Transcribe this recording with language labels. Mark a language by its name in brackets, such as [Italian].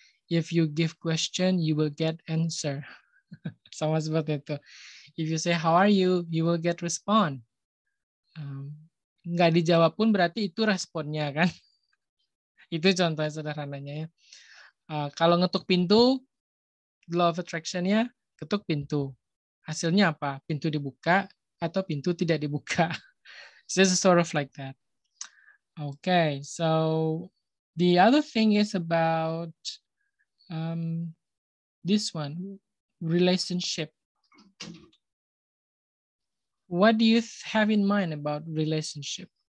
[English] If you give question, you will get answer. [Indonesian] Sama seperti itu. [English] If you say how are you, you will get respond. [Indonesian] Nggak dijawab pun berarti itu responnya kan. Itu contohnya sederhananya ya. Kalau ngetuk pintu, law of attraction-nya ketuk pintu. Hasilnya apa? Pintu dibuka atau pintu tidak dibuka. [English] It's sort of like that. Okay, so the other thing is about this one, relationship. What do you have in mind about relationship?